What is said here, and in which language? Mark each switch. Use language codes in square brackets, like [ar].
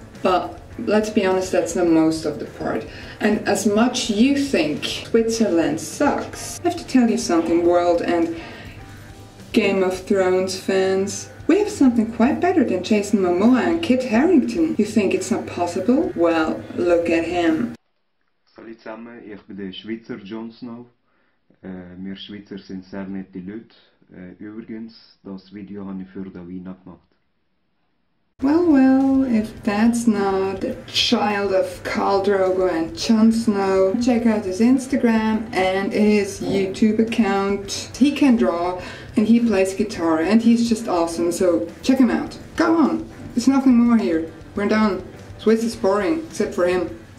[en] But let's be honest, that's the most of the part. And as much you think Switzerland sucks, I have to tell you something, world and Game of Thrones fans. We have something quite better than Jason Momoa and Kit Harington. You think it's not possible? Well, look at him. [de] Hallo zusammen, ich bin der Schweizer Jon Snow. Wir Schweizer sind sehr nette Leute. Übrigens, das Video habe ich für Davina gemacht. [en] Well, well, if that's not the child of Khal Drogo and Jon Snow, check out his Instagram and his YouTube account. He can draw and he plays guitar and he's just awesome, so check him out. Go on, there's nothing more here. We're done. Swiss is boring, except for him.